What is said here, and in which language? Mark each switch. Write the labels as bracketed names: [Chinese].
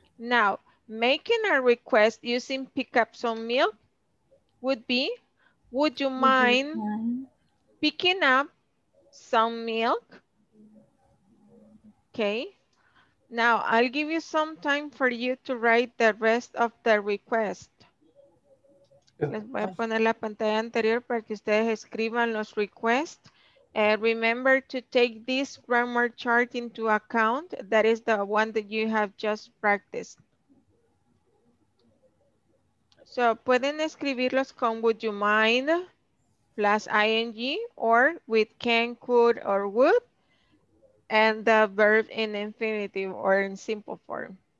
[English] Now, making a request using pick up some milk would be, would you mind picking up some milk? Okay. Now, I'll give you some time for you to write the rest of the request. [Spanish] Les voy a poner la pantalla anterior para que ustedes escriban los requests. [English] Remember to take this grammar chart into account. That is the one that you have just practiced. So, [Spanish] pueden escribirlos con [English] would you mind plus ing or with can, could, or would, and the verb in infinitive or in simple form.